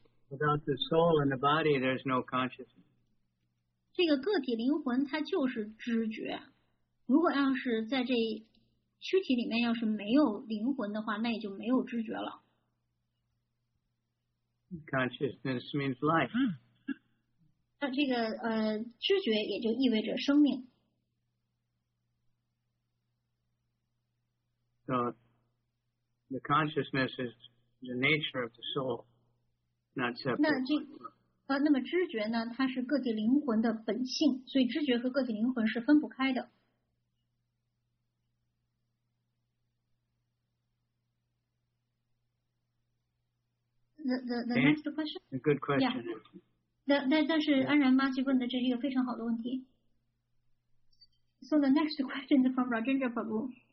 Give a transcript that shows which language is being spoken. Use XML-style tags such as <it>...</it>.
<en>Without the soul and the body, there's no consciousness.</en> <zh>这个个体灵魂它就是知觉。如果要是在这躯体里面要是没有灵魂的话，那也就没有知觉了。</zh> <en>Consciousness means life.</en> <zh>那这个知觉也就意味着生命。</zh> <en>So the consciousness is the nature of the soul, not separate.</en> <zh>那么知觉呢？它是个体灵魂的本性，所以知觉和个体灵魂是分不开的。</zh> <en>The next question. A good question. Yeah.</en> <zh>但是安然妈就问的这是一个非常好的问题。</zh> <en>So the next question is from Rajendra Prabhu.</en>